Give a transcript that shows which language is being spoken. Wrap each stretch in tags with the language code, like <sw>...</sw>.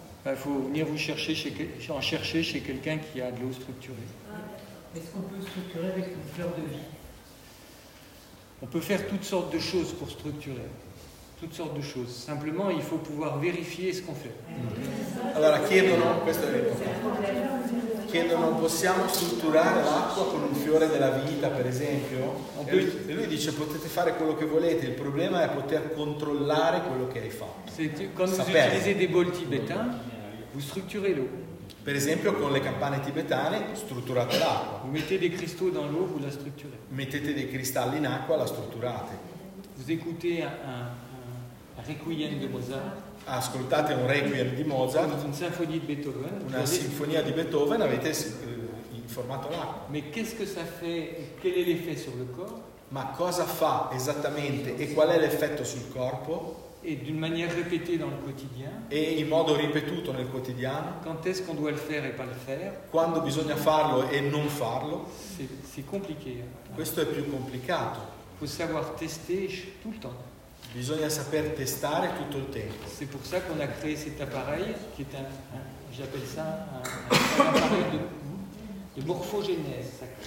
<fr>Il faut venir vous chercher chez quelqu'un qui a de l'eau structurée. Est-ce qu'on peut structurer avec une fleur de vie? On peut faire toutes sortes de choses pour structurer. Toutes sortes de choses. Simplement, il faut pouvoir vérifier ce qu'on fait.</fr> <it>Alors, chiedono, questo è l'importante. Chiedono, possiamo strutturare l'acqua con un fiore della vita, per esempio? E lui dice, potete fare quello che volete, il problema è poter controllare quello che hai fatto. Quando utilizzate dei bol tibetani, voi strutturate l'acqua. Per esempio, con le campane tibetane, strutturate l'acqua. Mettete dei cristalli in acqua, voi la strutturate. Mettete dei cristalli in acqua, la strutturate.</it> <fr>Vous écoutez un requiem de Mozart.</fr> <it>Ascoltate un requiem di Mozart, una sinfonia di Beethoven, avete informato l'acqua. Ma cosa fa esattamente e qual è l'effetto sul corpo?</it> <fr>E d'une manière répétée dans le quotidien.</fr> <it>E in modo ripetuto nel quotidiano.</it> <fr>Quand est-ce qu'on doit le faire et pas le faire?</fr> <it>Quando bisogna farlo e non farlo?</it> <fr>C'est compliqué.</fr> <it>Questo è più complicato.</it> <fr>Faut savoir tester tout le temps.</fr> <it>Bisogna saper testare tutto il tempo.</it> <fr>C'est pour ça qu'on a créé cet appareil qui est j'appelle ça un appareil de morphogenèse.</fr>